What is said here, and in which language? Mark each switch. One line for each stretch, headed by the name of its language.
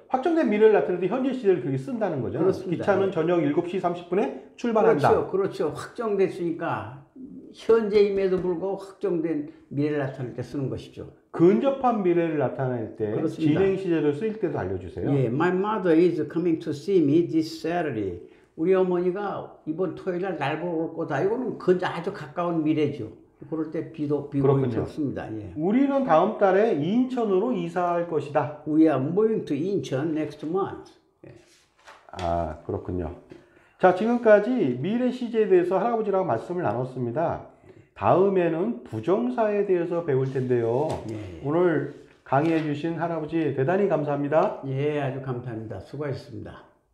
Korean: 확정된 미래를 나타내도 현재 시제를 그렇게 쓴다는 거죠. 그렇습니다. 기차는 저녁 7시 30분에 출발한다. 그렇죠. 그렇죠. 확정됐으니까 현재임에도 불구하고 확정된 미래를 나타낼 때 쓰는 것이죠. 근접한 미래를 나타낼 때 진행 시제를 쓰일 때도 알려주세요.
English: 예, My mother is coming to see me this Saturday.
Korean: 우리 어머니가 이번 토요일날 날 보러 올 거다. 이거는 근접 아주 가까운 미래죠. 그럴 때 비도 좋습니다. 예. 우리는 다음 달에 인천으로 이사할 것이다.
English: We are moving to Incheon next month. 예.
Korean: 아, 그렇군요. 자, 지금까지 미래 시제에 대해서 할아버지랑 말씀을 나눴습니다. 다음에는 부정사에 대해서 배울 텐데요. 예. 오늘 강의해 주신 할아버지 대단히 감사합니다. 예, 아주 감사합니다. 수고하셨습니다.